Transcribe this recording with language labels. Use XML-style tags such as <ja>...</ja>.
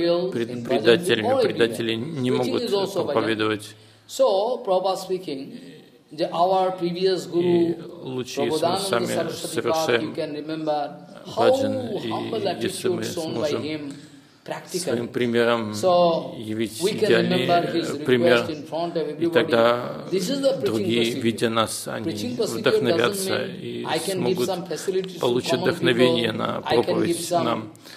<ru>Предатели не могут проповедовать.</ru> <en>So, Prabhupada speaking, our previous guru, Prabhudananda Saraswati, you can remember how humble attitude shown by him, practically.</en> <ru>Своим примером явить идеальный пример, и тогда другие, видя нас, они вдохновятся и смогут получить вдохновение на проповедь нам.</ru>